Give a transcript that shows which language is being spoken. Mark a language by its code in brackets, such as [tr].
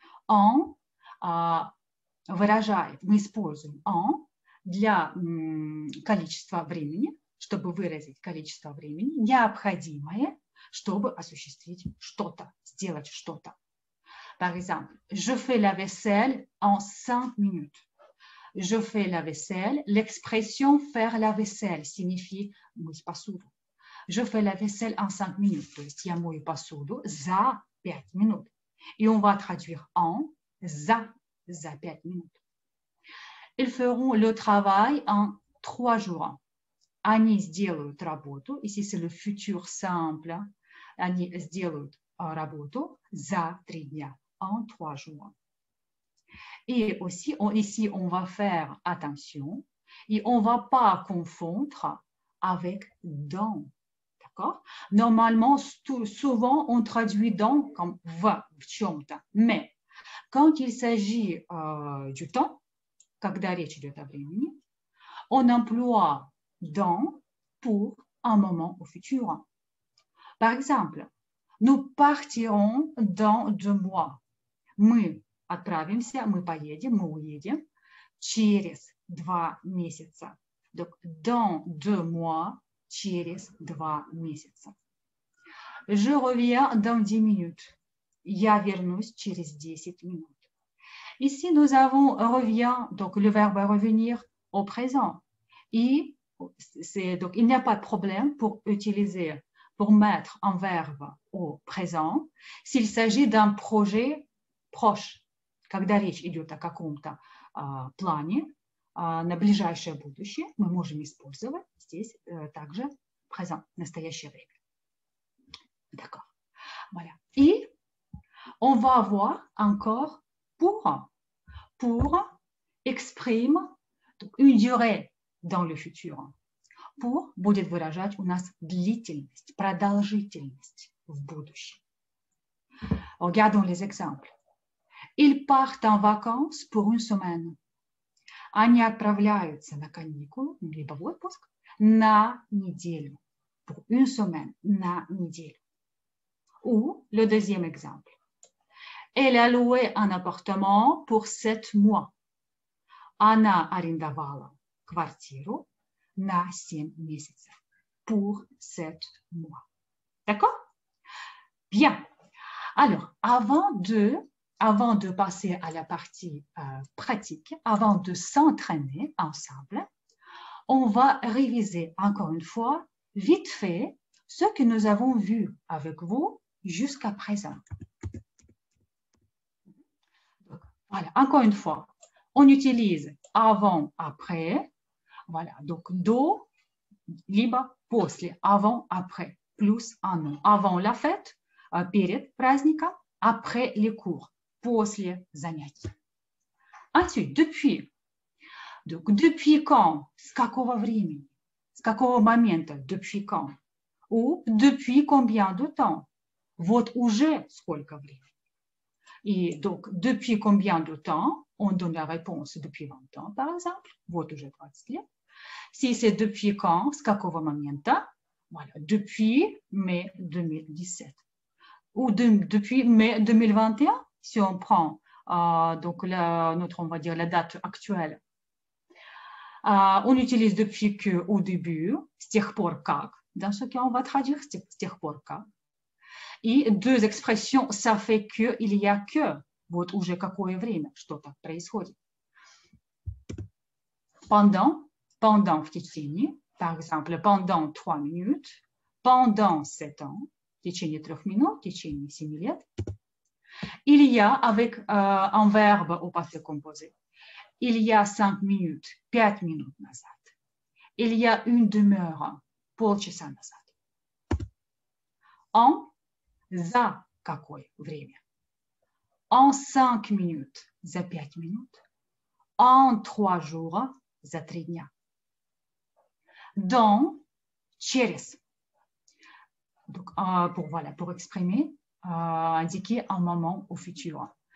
[ru] En, выражает, мы используем en для количества времени, чтобы выразить количество времени, необходимое, чтобы осуществить что-то, сделать что-то. [fr] Par exemple, je fais la vaisselle en 5 minutes. Je fais la vaisselle, l'expression faire la vaisselle signifie [ru] мыть посуду. [fr] Je fais la vaisselle en 5 minutes, [ru] то есть я мою посуду за 5 минут. [fr] Et on va traduire en [ru] за 5 минутes. [fr] Ils feront le travail en 3 jours. [ru] Они сделают работу, [fr] ici c'est le futur simple, [ru] они сделают работу за 3 дня, [fr] en 3 jours. Et aussi, ici on va faire attention, et on ne va pas confondre avec dans. D'accord? Normalement, souvent on traduit dans comme va, [ru] чем-то, [fr] mais quand il s'agit du temps, [ru] когда речь идет о времени, [fr] on emploie dans pour un moment au futur. Par exemple, nous partirons dans 2 mois. [ru] Мы отправимся, мы поедем, мы уедем через 2 месяца. [fr] Donc, dans 2 mois, [ru] через 2 месяца. [fr] Je reviens dans 10 minutes. [ru] Я вернусь через 10 минут. [fr] Ici, nous avons revient, donc le verbe revenir au présent. Et c'est, donc, il n'y a pas de problème pour utiliser, pour mettre un verbe au présent s'il s'agit d'un projet proche. [ru] Когда речь идет о каком-то плане на ближайшее будущее, мы можем использовать здесь также présent, настоящее время. [fr] D'accord. Voilà. И on va voir encore pour exprime une durée dans le futur. [ru] Pour будет выражать у нас длительность, продолжительность в будущем. [fr] Regardons les exemples. Ils partent en vacances pour une semaine. [ru] Они отправляются на каникулы, либо в отпуск, на неделю. [fr] Pour une semaine, [ru] на неделю. [fr] Ou le deuxième exemple. Elle a loué un appartement pour 7 mois. [ru] Она арендовала квартиру на 7 месяцев. [fr] Pour 7 mois. D'accord? Bien. Alors, avant de passer à la partie pratique, avant de s'entraîner ensemble, on va réviser encore une fois, vite fait, ce que nous avons vu avec vous jusqu'à présent. Voilà, encore une fois, on utilise avant, après, voilà, donc do, [ru] либо после, [fr] avant, après, plus un nom. Avant la fête, [ru] перед праздником, [fr] après les cours. [ru] после занятий. [fr] Ensuite, depuis. Donc, depuis quand? [ru] С какого времени? С какого момента? [fr] Depuis quand? Ou depuis combien de temps? [ru] Вот уже сколько времени? [fr] Et donc, depuis combien de temps? On donne la réponse depuis 20 ans, par exemple. [ru] Вот уже 20 лет. [fr] Si c'est depuis quand? [ru] С какого момента? [fr] Voilà, depuis mai 2017. Ou depuis mai 2021, si on prend donc notre, on va dire, la date actuelle. On utilise depuis que au début, [ru] с тех пор как. [fr] Dans ce cas, on va traduire [ru] с тех пор как. [fr] И deux expressions, ça fait que, il y a que. [ru] Вот уже какое время что-то происходит. [fr] Pendant [ru] в течение, [fr] par exemple, pendant 3 minutes, pendant 7 ans, [ru] в течение 3 минут, в течение 7 лет. [fr] Il y a avec un verbe au passé composé. Il y a 5 minutes, 5 minutes [ru] назад. [fr] Il y a une demi-heure, [ru] полчаса назад. En за какое время? [fr] En 5 minutes, [ru] за 5 минутes. [fr] En 3 jours, [ru] за 3 дня. [fr] Dans, через. Donc, pour, voilà, pour exprimer, indiquer un moment au futur.